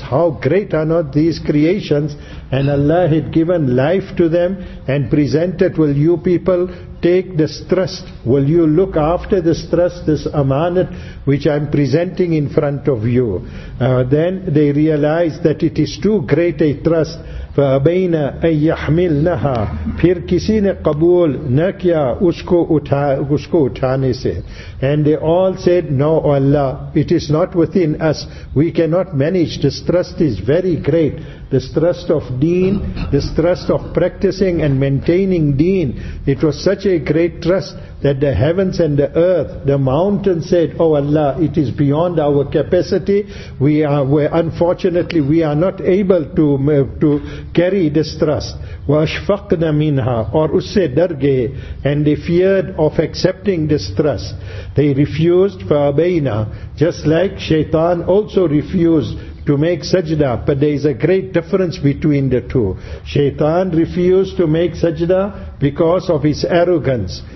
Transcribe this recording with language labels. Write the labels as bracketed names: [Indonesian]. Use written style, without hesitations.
[English] How great are not these creations? And Allah had given life to them and presented, "Will you people take this trust? Will you look after this trust, this amanat, which I'm presenting in front of you?" Then they realize that it is too great a trust. [Arabic] فَأَبَيْنَا أَن يَحْمِلْنَهَا. [Urdu] پھر کسی نے قبول نہ کیا اس کو اٹھانے سے. [English] And they all said, "No, O Allah, it is not within us. We cannot manage. This trust is very great. This trust of deen, this trust of practicing and maintaining deen, it was such a great trust that the heavens and the earth, the mountains said, "Oh Allah, it is beyond our capacity. We are unfortunately not able to carry this trust." [Arabic] وَأَشْفَقْنَ مِنْهَا [Urdu] اور اس سے ڈر گئے. [English] And they feared of accepting this trust. They refused. فَأَبَيْنَا. Just like Shaitan also refused to make sajda, but there is a great difference between the two. Shaitan refused to make sajda because of his arrogance.